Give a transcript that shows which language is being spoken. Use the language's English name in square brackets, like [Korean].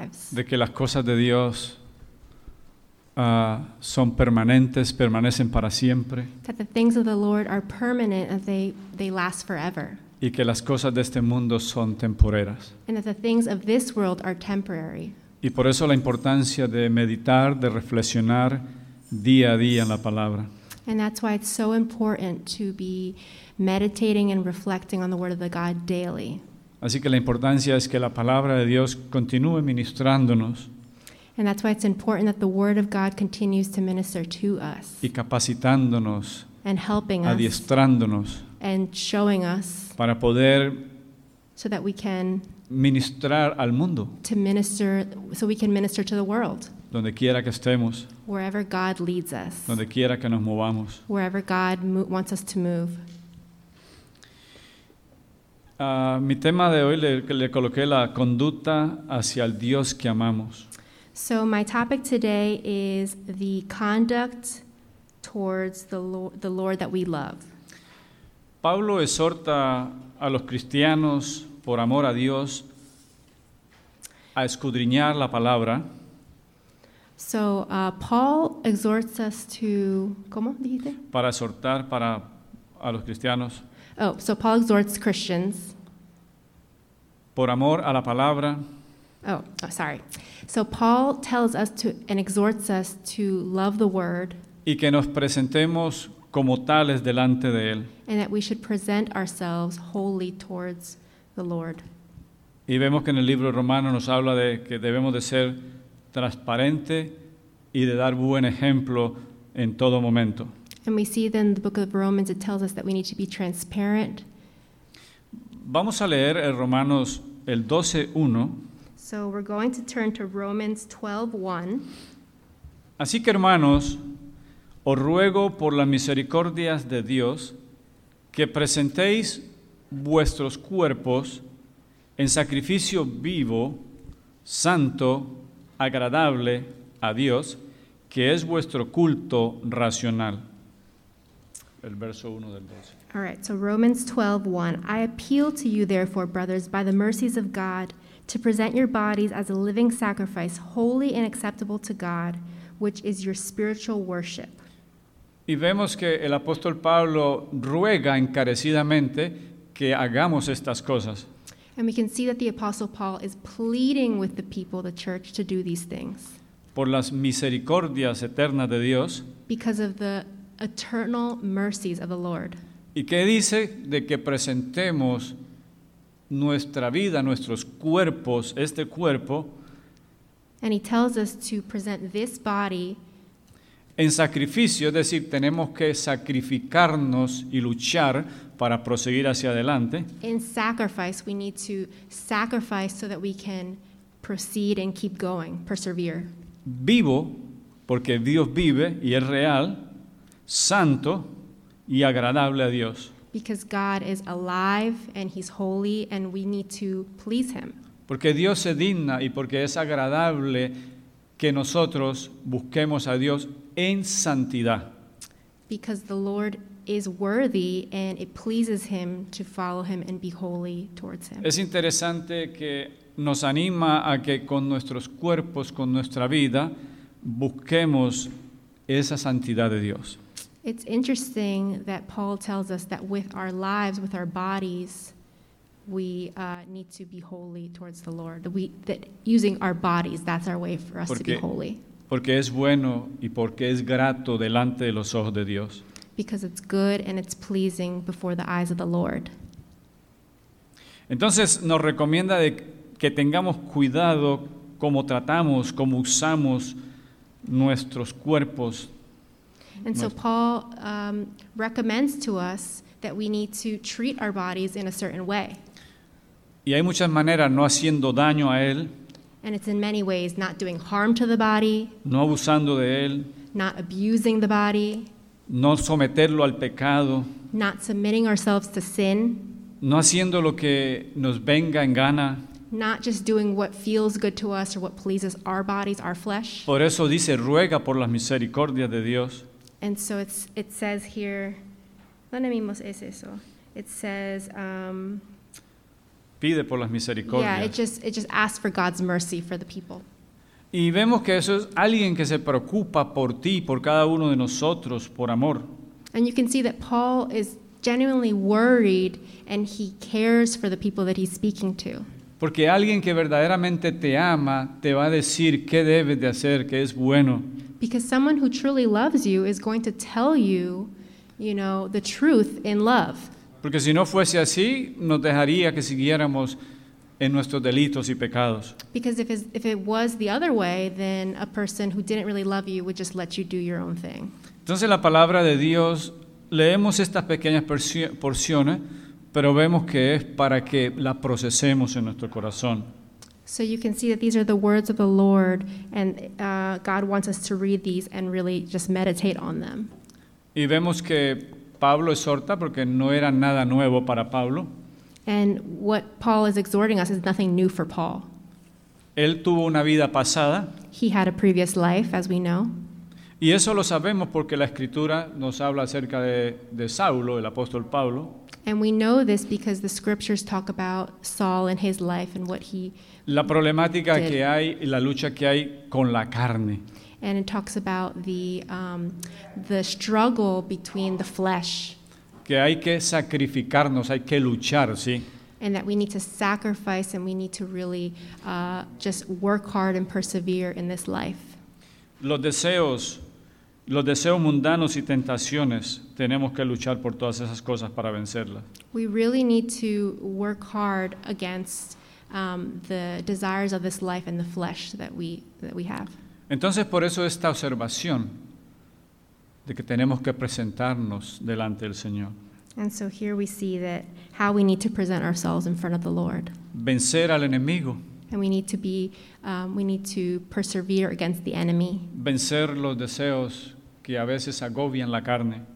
[Spanish] De que las cosas de Dios son permanentes, permanecen para siempre. [English] That the things of the Lord are permanent, that they last forever. [Spanish] Y que las cosas de este mundo son temporeras. [English] And that the things of this world are temporary. [Spanish] Y por eso la importancia de meditar, de reflexionar día a día en la palabra. [English] And that's why it's so important to be meditating and reflecting on the word of the God daily. [Spanish] Así que la importancia es que la palabra de Dios continúe ministrándonos. [English] And that's why it's important that the word of God continues to minister to us. [Spanish] Y capacitándonos. [English] And helping us. [Spanish] Adiestrándonos. [English] And showing us. [Spanish] Para poder. [English] So that we can. [Spanish] Ministrar al mundo. [English] To minister, so we can minister to the world. [Spanish] Donde quiera que estemos. [English] Wherever God leads us. [Spanish] Donde quiera que nos movamos. [English] Wherever God wants us to move. [Spanish] Mi tema de hoy le coloqué la conducta hacia el Dios que amamos. [English] So my topic today is the conduct towards the Lord that we love. [Spanish] Pablo exhorta a los cristianos por amor a Dios a escudriñar la palabra. [English] So Paul exhorts us to, [Spanish] ¿cómo dijiste? Para exhortar para a los cristianos. [English] Oh, so Paul exhorts Christians. [Spanish] Por amor a la palabra. [English] Oh, sorry. So Paul tells us to and exhorts us to love the word. [Spanish] Y que nos presentemos como tales delante de él. [English] And that we should present ourselves wholly towards the Lord. [Spanish] Y vemos que en el libro Romano nos habla de que debemos de ser transparente y de dar buen ejemplo en todo momento. [English] And we see then the book of Romans, it tells us that we need to be transparent. [Spanish] Vamos a leer el Romanos el 12:1. [English] So we're going to turn to Romans 12:1. [Spanish] Así que hermanos, os ruego por las misericordias de Dios que presentéis vuestros cuerpos en sacrificio vivo, santo, agradable a Dios, que es vuestro culto racional. El verso 1 del 12. [English] All right, so Romans 12, 1. I appeal to you, therefore, brothers, by the mercies of God, to present your bodies as a living sacrifice, holy and acceptable to God, which is your spiritual worship. [Spanish] Y vemos que el apóstol Pablo ruega encarecidamente que hagamos estas cosas. [English] And we can see that the apostle Paul is pleading with the people, the church, to do these things. [Spanish] Por las misericordias eternas de Dios. [English] Because of the eternal mercies of the Lord. [Spanish] ¿Y qué dice de que presentemos nuestra vida, nuestros cuerpos, este cuerpo? [English] And he tells us to present this body [Spanish] en sacrificio, es decir, tenemos que sacrificarnos y luchar para proseguir hacia adelante. [English] In sacrifice, we need to sacrifice so that we can proceed and keep going, persevere. [Spanish] Vivo, porque Dios vive y es real, santo y agradable a Dios. [English] Because God is alive and he's holy and we need to please him. [Spanish] Porque Dios se digna y porque es agradable que nosotros busquemos a Dios en santidad. [English] Because the Lord is worthy and it pleases him to follow him and be holy towards him. [Spanish] Es interesante que nos anima a que con nuestros cuerpos, con nuestra vida, busquemos esa santidad de Dios. [English] It's interesting that Paul tells us that with our lives, with our bodies, we need to be holy towards the Lord. That using our bodies, that's our way for us to be holy. [Spanish] Porque es bueno y porque es grato delante de los ojos de Dios. [English] Because it's good and it's pleasing before the eyes of the Lord. [Spanish] Entonces nos recomienda de que tengamos cuidado cómo tratamos, cómo usamos nuestros cuerpos. [English] And so Paul recommends to us that we need to treat our bodies in a certain way. [Spanish] Y hay muchas maneras, no haciendo daño a él. [English] And it's in many ways, not doing harm to the body. [Spanish] No abusando de él. [English] Not abusing the body. [Spanish] No someterlo al pecado. [English] Not submitting ourselves to sin. [Spanish] No haciendo lo que nos venga en gana. [English] Not just doing what feels good to us or what pleases our bodies, our flesh. [Spanish] Por eso dice, ruega por las misericordias de Dios. [English] And so it says here, [Spanish] ¿dónde mismo es eso? [English] It says, [Spanish] pide por las misericordias. [English] Yeah, it just asks for God's mercy for the people. [Spanish] Y vemos que eso es alguien que se preocupa por ti, por cada uno de nosotros, por amor. [English] And you can see that Paul is genuinely worried and he cares for the people that he's speaking to. [Spanish] Porque alguien que verdaderamente te ama te va a decir qué debes de hacer, qué es bueno. [English] Because someone who truly loves you is going to tell you, you know, the truth in love. [Spanish] Porque si no fuese así, nos dejaría que siguiéramos en nuestros delitos y pecados. [English] Because if it was the other way, then a person who didn't really love you would just let you do your own thing. [Spanish] Entonces la palabra de Dios, leemos estas pequeñas porciones, pero vemos que es para que la procesemos en nuestro corazón. [English] So you can see that these are the words of the Lord, and God wants us to read these and really just meditate on them. [Spanish] Y vemos que Pablo exhorta porque no era nada nuevo para Pablo. [English] And what Paul is exhorting us is nothing new for Paul. [Spanish] Él tuvo una vida pasada. [English] He had a previous life, as we know. [Spanish] Y eso lo sabemos porque la Escritura nos habla acerca de Saulo, el apóstol Pablo. [English] And we know this because the scriptures talk about Saul and his life and what he [Spanish] La problemática [English] did. [Spanish] Que hay y la lucha que hay con la carne. [English] And it talks about the struggle between the flesh. [Spanish] Que hay que sacrificarnos, hay que luchar, ¿sí? [English] And that we need to sacrifice and we need to really just work hard and persevere in this life. [Spanish] Los deseos mundanos y tentaciones, tenemos que luchar por todas esas cosas para vencerlas. [English] We really need to work hard against the desires of this life and the flesh that we have. [Spanish] Entonces, por eso esta observación de que tenemos que presentarnos delante del Señor. [English] And so here we see that how we need to present ourselves in front of the Lord. [Spanish] Vencer al enemigo. [English] And we need to be, we need to persevere against the enemy. [Spanish] Vencer los deseos que a veces agobian la carne.